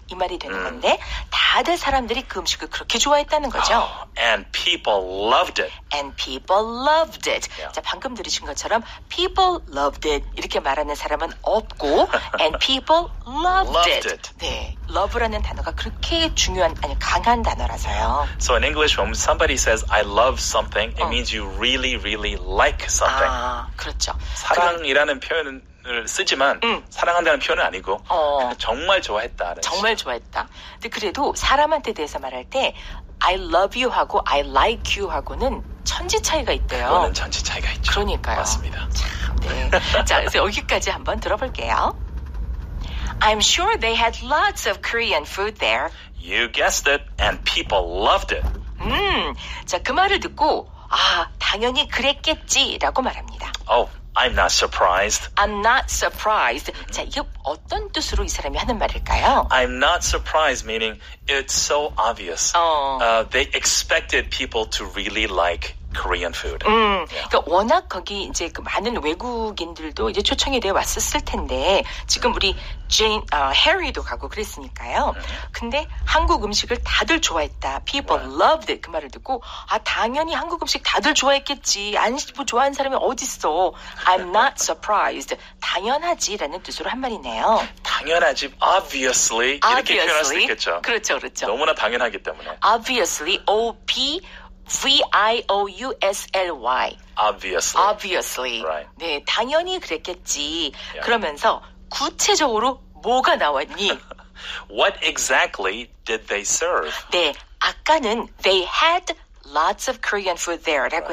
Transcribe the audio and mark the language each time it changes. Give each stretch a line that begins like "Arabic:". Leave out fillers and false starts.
Korean: 이 말이 되는 건데 다들 사람들이 그 음식을 그렇게 좋아했다는 거죠.
English: Oh, and people loved it. And people loved it. Yeah.
Korean: 자, 방금 들으신 것처럼
English: people loved it
Korean: 이렇게 말하는 사람은 없고
English: and people loved, loved it. it.
Korean: 네, love라는 단어가 그렇게 중요한 아니 강한 단어라서요.
English: So in English, when somebody says I love something, it means you really, really like something.
Korean: 아, 그렇죠. 사랑이라는 표현은 쓰지만 사랑한다는 표현은 아니고 정말 좋아했다. 정말 진짜. 좋아했다. 근데 그래도 사람한테 대해서 말할 때
English: I love you
Korean: 하고
English: I like you
Korean: 하고는 천지 차이가 있대요. 그거는 천지 차이가 있죠. 그러니까요. 맞습니다. 참, 네. 자, 그래서 여기까지 한번 들어볼게요.
English: I'm sure they had lots of Korean food there. You guessed it and people loved it.
Korean: 자, 그 말을 듣고 아, 당연히 그랬겠지라고 말합니다.
English: Oh. I'm not surprised. I'm not surprised.
Korean: 자, 이게 어떤 뜻으로 이 사람이 하는 말일까요?
English: I'm not surprised meaning it's so obvious. They expected people to really like Korean food.
Korean: 그러니까 워낙 거기 이제 그 많은 외국인들도 이제 초청이 되어 왔었을 텐데 지금 우리 제인 해리도 가고 그랬으니까요. 근데 한국 음식을 다들 좋아했다.
English: People right. loved it.
Korean: 그 말을 듣고 아 당연히 한국 음식 다들 좋아했겠지. 안 뭐 좋아하는 사람이 어디 있어?
English: I'm not surprised.
Korean: 당연하지라는 뜻으로 한 말이네요. 당연하지. Obviously. 이렇게 표현할 수 있겠죠. 그렇죠. 그렇죠. 너무나 당연하기 때문에.
English: Obviously. O P V-I-O-U-S-L-Y. Obviously. Obviously. Right.
Korean: 네, 당연히 그랬겠지.
English: Yeah.
Korean: 그러면서 구체적으로 뭐가 나왔니?
English: What exactly did they serve?
Korean: 네, 아까는
English: they had lots of Korean food there
Korean: 라고 right.